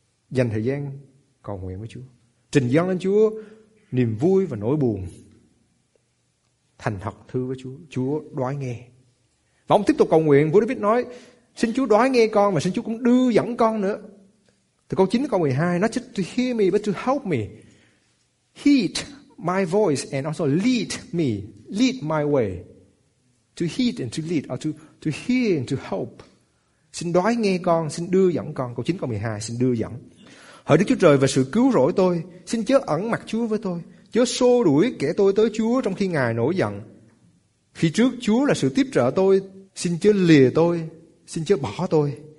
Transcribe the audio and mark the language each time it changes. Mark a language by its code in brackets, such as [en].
[vi] Dành thời gian cầu nguyện với Chúa, trình dâng lên Chúa niềm vui và nỗi buồn, thành thật thưa với Chúa: Chúa đoái nghe. Và ông tiếp tục cầu nguyện, vua David nói: xin Chúa đoái nghe con, và xin Chúa cũng đưa dẫn con nữa. Từ câu 9 đến câu 12, [en] not just to hear me but to help me, heed my voice and also lead me, lead my way. To heed and to lead, or to hear and to help. [vi] Xin đoái nghe con, xin đưa dẫn con. Câu 9, câu 12, xin đưa dẫn. Hỡi Đức Chúa Trời và sự cứu rỗi tôi, xin chớ ẩn mặt Chúa với tôi, chớ xô đuổi kẻ tôi tới Chúa trong khi Ngài nổi giận. Khi trước Chúa là sự tiếp trợ tôi, xin chớ lìa tôi, xin chớ bỏ tôi.